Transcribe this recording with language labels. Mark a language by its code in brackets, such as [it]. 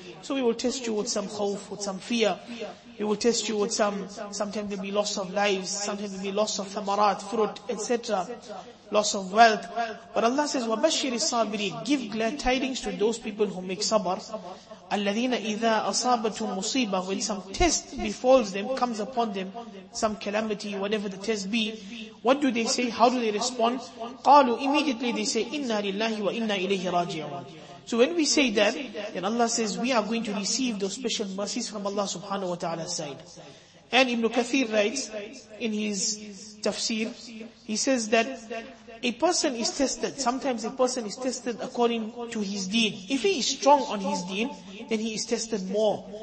[en] So we will test you with some khawf, with some fear. We will test you with sometimes there will be loss of lives, sometimes there will be loss of thamarat, fruit, etc. Loss of wealth. But Allah says, [ar] وَبَشِّرِ الصَّابِرِينَ. [en] Give glad tidings to those people who make sabr. [ar] الَّذِينَ إِذَا أَصَابَتُ مُصِيبَةٌ. [en] When some test befalls them, comes upon them, some calamity, whatever the test be, what do they say? How do they respond? قَالُوا. Immediately they say, [ar] إِنَّا لِلَّهِ وَإِنَّا إِلَيْهِ رَاجِعُونَ. [en] So when we say that, then Allah says, we are going to receive those special mercies from Allah subhanahu wa ta'ala's side. And Ibn Kathir writes in his tafsir, he says that a person is tested. Sometimes a person is tested according to his deen. If he is strong on his deen, then he is tested more.